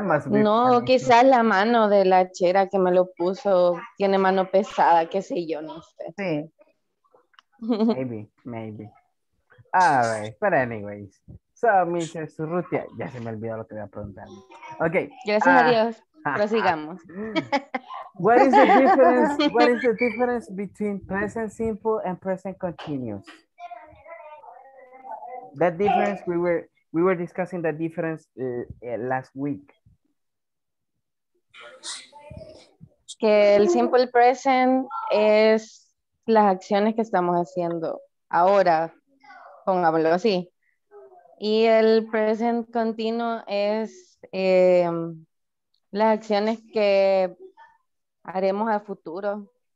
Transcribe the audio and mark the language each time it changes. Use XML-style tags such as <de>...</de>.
<es>No, quizás la mano de la chera que me lo puso tiene mano pesada, qué sé yo, no sé. Sí.</es> <en>Maybe. All right, but anyways. So, Mrs.</en> <es>Urrutia, ya se me olvidó lo que iba a preguntar.</es> <en>Okay.</en> <es>Gracias a Dios. Prosigamos.</es> <en>What is the difference between present simple and present continuous? That difference we were discussing that difference last week.</en> <es>Que el simple present es las acciones que estamos haciendo ahora, pongámoslo así. Y el present continuo es las acciones que haremos a futuro.</es>